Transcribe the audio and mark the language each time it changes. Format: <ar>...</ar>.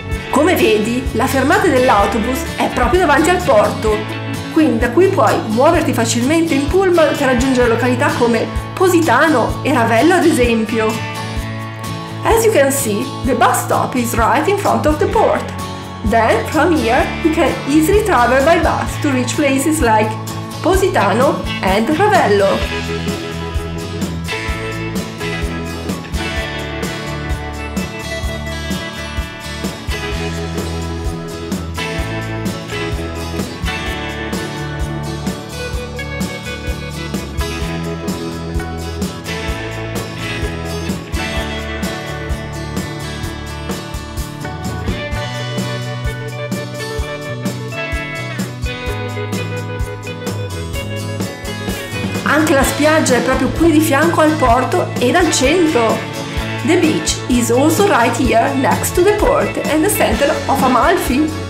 <it>Come vedi, la fermata dell'autobus è proprio davanti al porto, quindi da qui puoi muoverti facilmente in pullman per raggiungere località come Positano e Ravello ad esempio.</it> <en>As you can see, the bus stop is right in front of the port. Then, from here, you can easily travel by bus to reach places like Positano and Ravello.</en> <it>Anche la spiaggia è proprio qui di fianco al porto e dal centro.</it> <en>The beach is also right here next to the port and the center of Amalfi.</en>